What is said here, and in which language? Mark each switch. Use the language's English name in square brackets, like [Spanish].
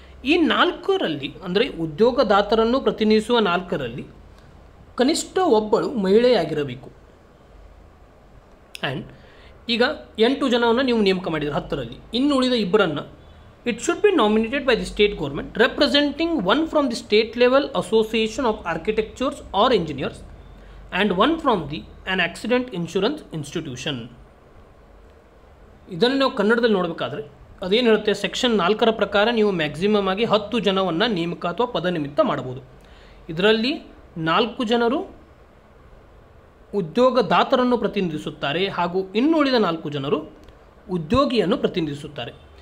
[Kannada] ಈ 4ರಲ್ಲಿ ಅಂದರೆ ಉದ್ಯೋಗದಾತರನ್ನು ಪ್ರತಿನಿಧಿಸುವ 4ರಲ್ಲಿ ಕನಿಷ್ಠ ಒಬ್ಬಳು ಮಹಿಳೆಯಾಗಿರಬೇಕು. ಆ್ಯಂಡ್ ಈಗ 8 ಜನವನ್ನು ನೀವು ನೇಮಕ ಮಾಡಿದ್ರೆ 10ರಲ್ಲಿ, ಇನ್ನುಳಿದ 2ರನ್ನು [English] It should be nominated by the state government representing 1 from the state level association of architectures or engineers and one from the an accident insurance institution. [Kannada] ಇದನ್ನು ನಾವು ಕನ್ನಡದಲ್ಲಿ ನೋಡಬೇಕಾದ್ರೆ ಅದೇನು ಹೇಳುತ್ತೆ, ಸೆಕ್ಷನ್ 4 ಪ್ರಕಾರ ನೀವು ಮ್ಯಾಕ್ಸಿಮಮ್ ಆಗಿ 10 ಜನವನ್ನು ನೇಮಕ ಅಥವಾ ಪದನಿಮಿತ್ತ ಮಾಡಬಹುದು. ಇದರಲ್ಲಿ 4 ಜನರು ಉದ್ಯೋಗದಾತರನ್ನು ಪ್ರತಿನಿಧಿಸುತ್ತಾರೆ ಹಾಗೂ ಇನ್ನುಳಿದ 4 ಜನರು ಉದ್ಯೋಗಿಯನ್ನು ಪ್ರತಿನಿಧಿಸುತ್ತಾರೆ.